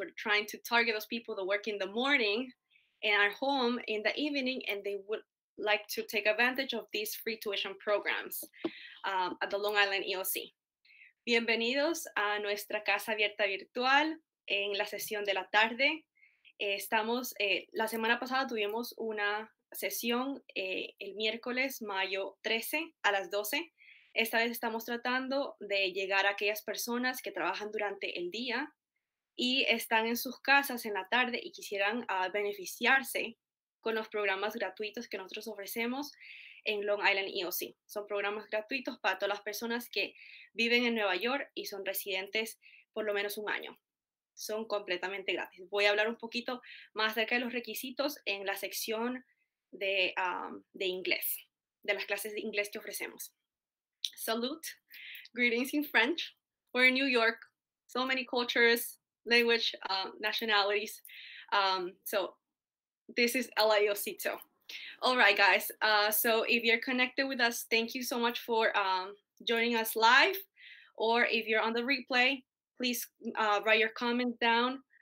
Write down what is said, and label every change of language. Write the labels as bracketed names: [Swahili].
[English] We're trying to target those people that work in the morning and are home in the evening, and they would like to take advantage of these free tuition programs at the Long Island EOC. [Spanish] Bienvenidos a nuestra casa abierta virtual en la sesión de la tarde. Estamos, la semana pasada tuvimos una sesión el miércoles, mayo 13, a las 12. Esta vez estamos tratando de llegar a aquellas personas que trabajan durante el día y están en sus casas en la tarde y quisieran beneficiarse con los programas gratuitos que nosotros ofrecemos en Long Island EOC. Son programas gratuitos para todas las personas que viven en Nueva York y son residentes por lo menos un año. Son completamente gratis. Voy a hablar un poquito más acerca de los requisitos en la sección de inglés, de las clases de inglés que ofrecemos. [English] Salute, greetings in French. We're in New York, so many cultures, language, nationalities. So this is LIOCito. All right, guys. So if you're connected with us, thank you so much for joining us live, or if you're on the replay, please write your comments down.